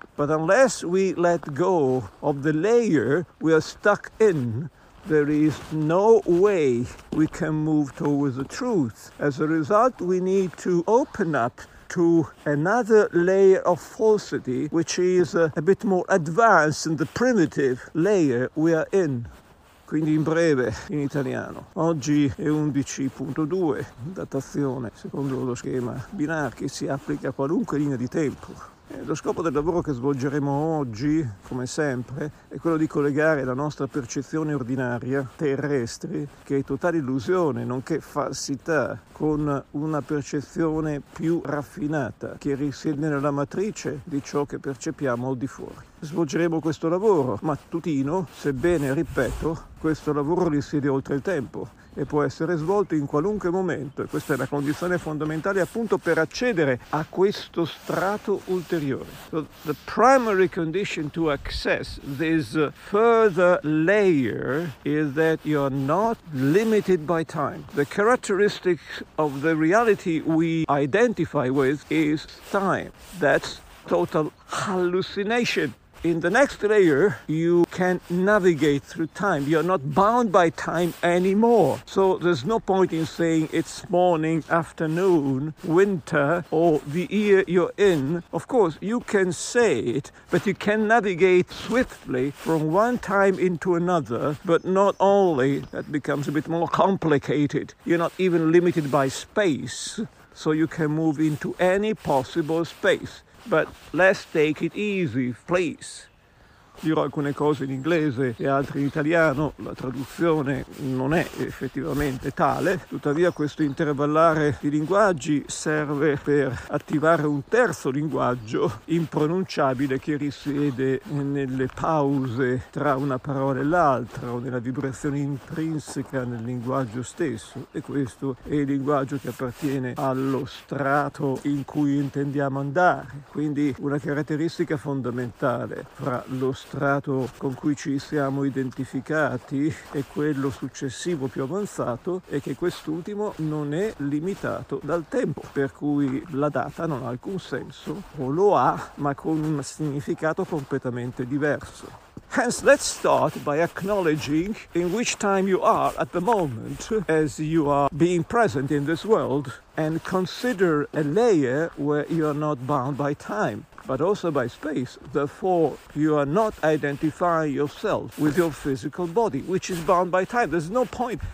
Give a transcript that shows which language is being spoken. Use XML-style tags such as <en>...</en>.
<en>But unless we let go of the layer we are stuck in, there is no way we can move towards the truth. As a result, we need to open up to another layer of falsity, which is a bit more advanced than the primitive layer we are in.</en> <it>Quindi in breve, in italiano. Oggi è 11.2, datazione secondo lo schema binario che si applica a qualunque linea di tempo. Lo scopo del lavoro che svolgeremo oggi, come sempre, è quello di collegare la nostra percezione ordinaria, terrestre, che è totale illusione, nonché falsità, con una percezione più raffinata, che risiede nella matrice di ciò che percepiamo al di fuori. Svolgeremo questo lavoro mattutino, sebbene, ripeto, questo lavoro risiede oltre il tempo e può essere svolto in qualunque momento, e questa è la condizione fondamentale appunto per accedere a questo strato ulteriore.</it> <en>So the primary condition to access this further layer is that you are not limited by time. The characteristic of the reality we identify with is time. That's total hallucination. In the next layer, you can navigate through time. You're not bound by time anymore. So there's no point in saying it's morning, afternoon, winter, or the year you're in. Of course, you can say it, but you can navigate swiftly from one time into another, but not only. That becomes a bit more complicated. You're not even limited by space, so you can move into any possible space. But let's take it easy, please.</en> <it>Dirò alcune cose in inglese e altre in italiano, la traduzione non è effettivamente tale, tuttavia questo intervallare di linguaggi serve per attivare un terzo linguaggio impronunciabile che risiede nelle pause tra una parola e l'altra o nella vibrazione intrinseca nel linguaggio stesso, e questo è il linguaggio che appartiene allo strato in cui intendiamo andare. Quindi una caratteristica fondamentale fra lo strato con cui ci siamo identificati e quello successivo più avanzato è che quest'ultimo non è limitato dal tempo, per cui la data non ha alcun senso, o lo ha, ma con un significato completamente diverso.</it> <en>Hence, let's start by acknowledging in which time you are at the moment as you are being present in this world, and consider a layer where you are not bound by time, but also by space. Therefore, you are not identifying yourself with your physical body, which is bound by time. There's no point.</en>